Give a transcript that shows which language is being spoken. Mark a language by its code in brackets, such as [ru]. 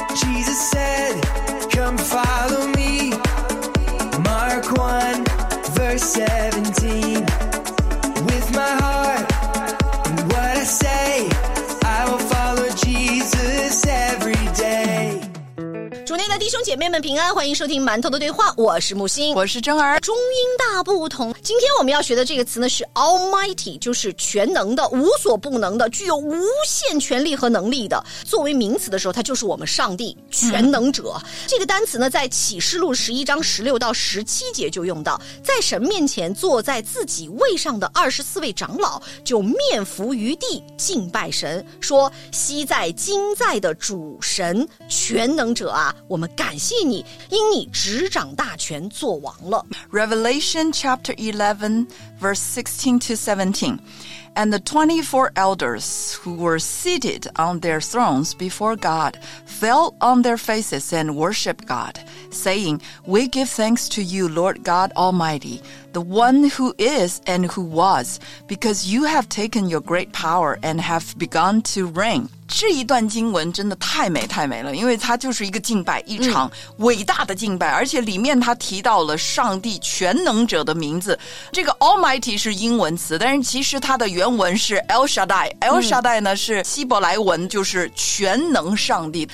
[en] Jesus said, come follow me. Mark 1, verse 17. With my heart, what I say, I will follow Jesus every day. [zh] 主内的弟兄姐妹们平安，欢迎收听馒头的对话，我是木星，我是真儿。中英大不同，今天我们要学的这个词呢是 Almighty， 就是全能的，无所不能的，具有无限权力和能力的。作为名词的时候，它就是我们上帝，全能者。这个单词呢在启示录11章16到17节就用到，在神面前坐在自己位上的24位长老就面伏于地敬拜神，说昔在今在的主神全能者啊，我们感谢你，因你执掌大权做王了。 [en] Revelation chapter 11 verse 16 to 17. And the 24 elders who were seated on their thrones before God fell on their faces and worshiped God, saying, We give thanks to you, Lord God Almighty, the one who is and who was, because you have taken your great power and have begun to reign. [zh] 这一段经文真的太美太美了，因为它就是一个敬拜，一场伟大的敬拜，而且里面它提到了上帝全能者的名字。这个 Almighty 是英文词，但是其实它的原文是 El Shaddai。 El Shaddai 呢是希伯来文，就是全能上帝。